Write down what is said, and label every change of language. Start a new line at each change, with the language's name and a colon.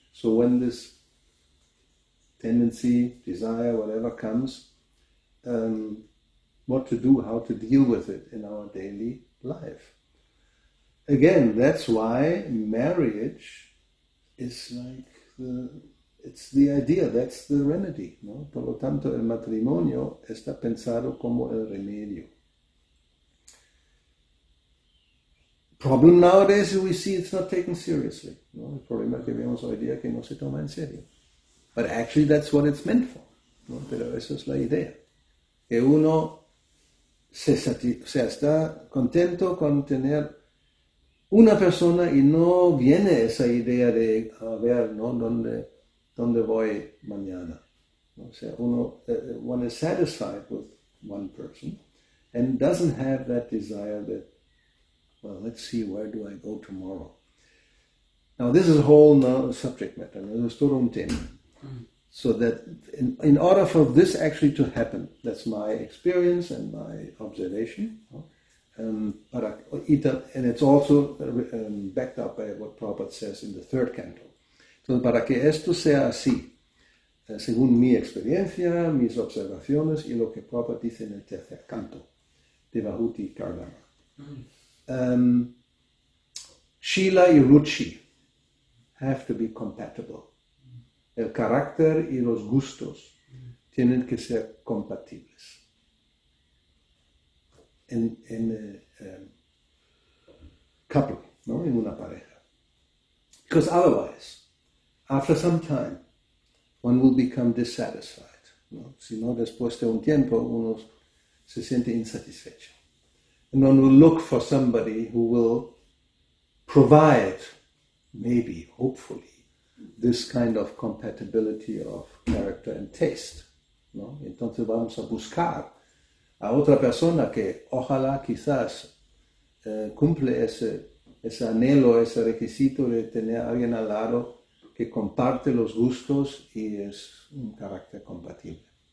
English: So when this tendency, desire, whatever comes, what to do, how to deal with it in our daily life. Again, that's why marriage is like it's the idea, that's the remedy, no?
Spanish: Por lo tanto, el matrimonio está pensado como el remedio.
English: Problem nowadays, we see it's not taken seriously.
Spanish: No, el problema que vemos hoy día que no se toma en serio.
English: But actually, that's what it's meant for.
Spanish: No, pero esa es la idea. Que uno está contento con tener una persona y no viene esa idea de a ver, ¿no? ¿Dónde voy mañana?
English: O sea, one is satisfied with one person and doesn't have that desire that, well, let's see, where do I go tomorrow? Now, this is a whole subject matter. This is
Spanish: todo un tema.
English: So that in order for this actually to happen, that's my experience and my observation. And it's also backed up by what Prabhupada says in the third canto.
Spanish: So, para que esto sea así, según mi experiencia, mis observaciones, y lo que Prabhupada dice en el tercer canto, de Vahuti Kardama.
English: Shila y Ruchi have to be compatible.
Spanish: El carácter y los gustos tienen que ser compatibles. Couple, ¿no? En una pareja.
English: Because otherwise, after some time, one will become dissatisfied.
Spanish: ¿No? Si no, después de un tiempo, uno se siente insatisfecho.
English: And one will look for somebody who will provide, maybe, hopefully, this kind of compatibility of character and taste.
Spanish: ¿No? Entonces vamos a buscar a otra persona que ojalá quizás cumple ese anhelo, ese requisito de tener a alguien al lado que comparte los gustos y es un carácter compatible.